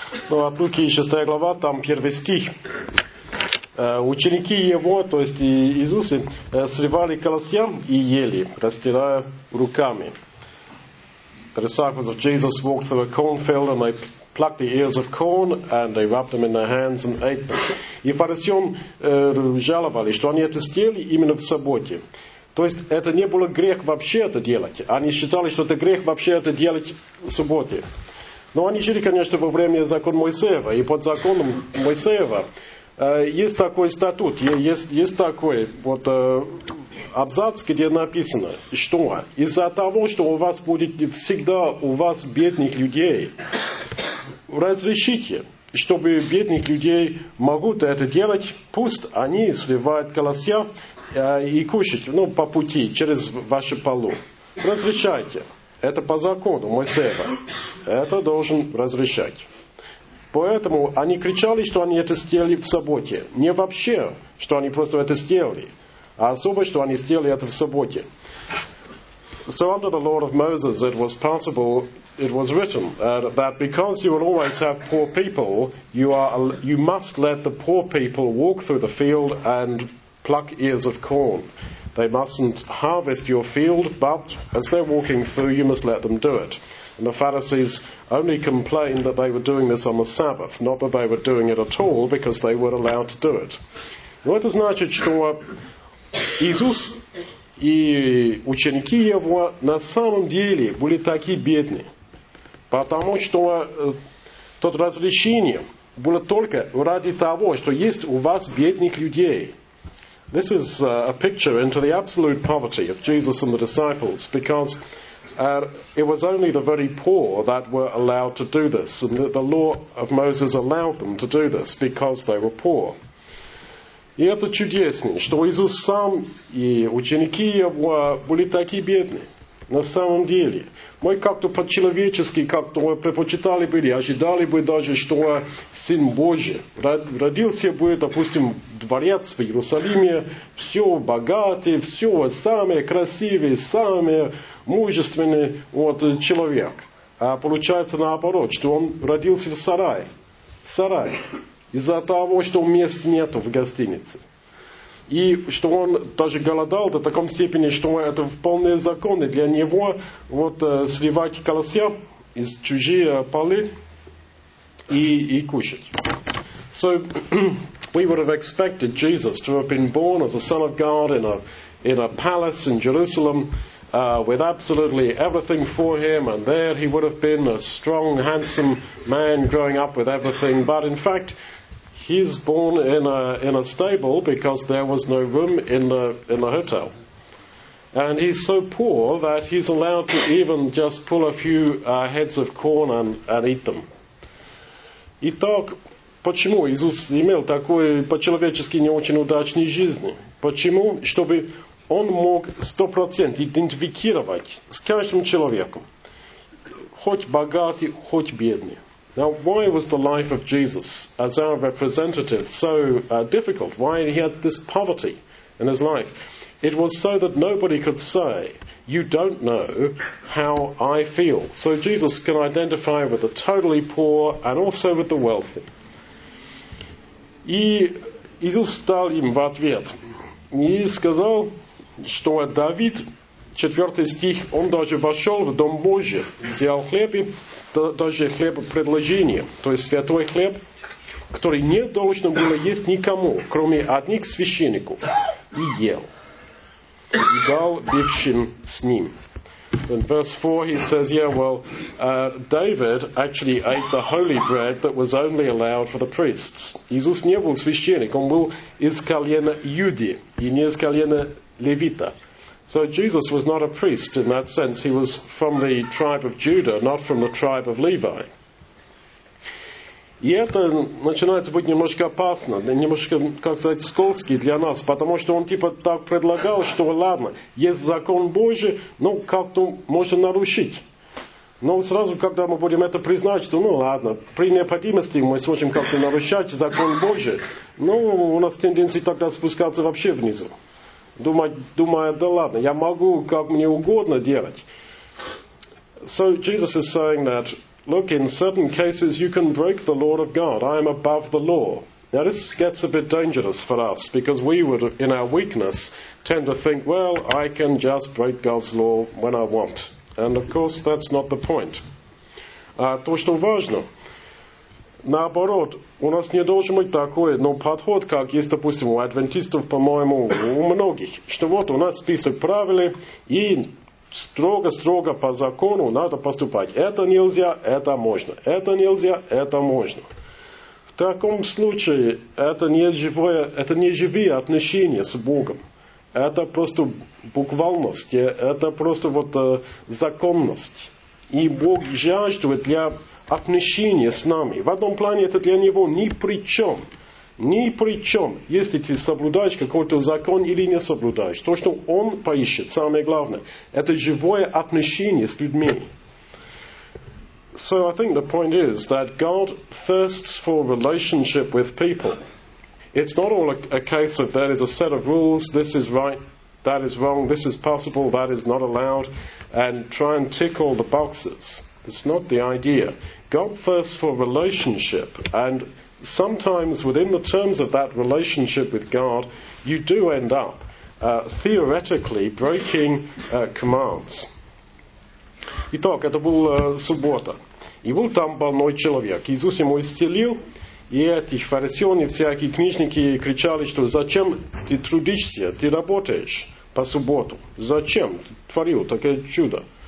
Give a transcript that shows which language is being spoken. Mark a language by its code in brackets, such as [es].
[ru] от Луки, 6 глава, там первый стих. Ученики его, то есть Иисусы, сливали колосья и ели, растирая руками. [en] The disciples of Jesus walked through a cornfield, and they plucked the ears of corn, and they wrapped them in their hands and ate them. [ru] И фарисеям жаловались, что они это съели именно в субботе. То есть это не было грех вообще это делать. Они считали, что это грех вообще это делать в субботе. Но они жили, конечно, во время закона Моисеева. И под законом Моисеева есть такой статут, есть такой вот абзац, где написано, что из-за того, что у вас будет всегда у вас бедных людей, разрешите, чтобы бедных людей могут это делать, пусть они сливают колосья и кушать, ну, по пути, через ваше полу. Разрешайте. Это по закону Моисеева. Это должен разрешать. Поэтому они кричали, что они это сделали в субботе. Не вообще, что они просто это сделали, а особо, что они сделали это в субботе. [en] So under the law of Moses, it was possible, it was written, that because you will always have poor people, you must let the poor people walk through the field and pluck ears of corn. They mustn't harvest your field, but as they're walking through, you must let them do it. And the Pharisees only complained that they were doing this on the Sabbath, not that they were doing it at all, because they were allowed to do it. [ru] Но это значит, что Иисус и ученики его на самом деле были такие бедные, потому что тот разрешение было только ради того, что есть у вас бедных людей. [en] This is a picture into the absolute poverty of Jesus and the disciples, because it was only the very poor that were allowed to do this, and the law of Moses allowed them to do this because they were poor. [ru] И это чудесно, что Иисус сам и ученики его были такие бедные. На самом деле, мы как-то по-человечески как-то предпочитали бы, ожидали бы даже, что Сын Божий родился бы, допустим, дворец в Иерусалиме, все богатый, все самый красивый, самый мужественный вот, человек. А получается наоборот, что он родился в сарае. В сарае. Из-за того, что мест нету в гостинице. И что он даже голодал до такой степени, что это вполне законно для него вот, сливать колосья из чужие полы и кушать. [en] So we would have expected Jesus to have been born as a son of God in a palace in Jerusalem with absolutely everything for him, and there he would have been a strong, handsome man growing up with everything. But in fact, he's born in a stable because there was no room in the hotel. And he's so poor that he's allowed to even just pull a few heads of corn and eat them. [ru] Итак, почему Иисус имел такой по-человечески не очень удачной жизни? Почему? Чтобы он мог 100% идентифицировать с каждым человеком. Хоть богатый, хоть бедный. [en] Now, why was the life of Jesus as our representative so difficult? Why he had this poverty in his life? It was so that nobody could say, you don't know how I feel. So Jesus can identify with the totally poor and also with the wealthy. [ru] И Иисус стал им в ответ. И сказал, что Давид, 4 стих, он даже вошел в Дом Божий, взял хлеб и даже хлеб предложения, то есть святой хлеб, который не должно было есть никому, кроме одних священников, и ел, и дал бывшим с ним. [en] In verse 4 he says, yeah, well, David actually ate the holy bread that was only allowed for the priests. [ru] Иисус не был священник, он был из колена Иуды, и не из колена Левита. [en] So Jesus was not a priest in that sense. He was from the tribe of Judah, not from the tribe of Levi. [ru] И это начинается быть немножко опасно, немножко, как сказать, скользкий для нас, потому что он типа так предлагал, что ладно, есть закон Божий, но как-то можно нарушить. Но сразу, когда мы будем это признать, что ну ладно, при необходимости мы сможем как-то нарушать закон Божий, ну у нас тенденция тогда спускаться вообще внизу. Думая, да ладно, я могу как мне угодно делать. [en] So Jesus is saying that look, in certain cases you can break the law of God. I am above the law. Now this gets a bit dangerous for us, because we would, in our weakness, tend to think, well, I can just break God's law when I want. And of course, that's not the point. [ru] То, что важно. Наоборот, у нас не должен быть такой, но подход, как есть, допустим, у адвентистов, по-моему, у многих, что вот у нас список правил, и строго-строго по закону надо поступать. Это нельзя, это можно. Это нельзя, это можно. В таком случае, это не живое, это не живые отношения с Богом. Это просто буквальность, это просто вот законность. И Бог жаждет для отношения с нами. В одном плане это для Него ни при чем. Ни при чем, если ты соблюдаешь какой-то закон или не соблюдаешь. То, что Он поищет, самое главное, это живое отношение с людьми. [en] So I think the point is that God thirsts for relationship with people. It's not all a case of that is a set of rules, this is right, that is wrong, this is possible, that is not allowed, and try and tick all the boxes. It's not the idea. God thirsts for relationship, and sometimes within the terms of that relationship with God, you do end up theoretically breaking commands. [ru] Итак, это был суббота. И был там больной человек. Иисус ему исцелил. И эти фарисеи, всякие книжники кричали, что зачем ты трудишься, ты работаешь по субботу? Зачем ты творил такое чудо?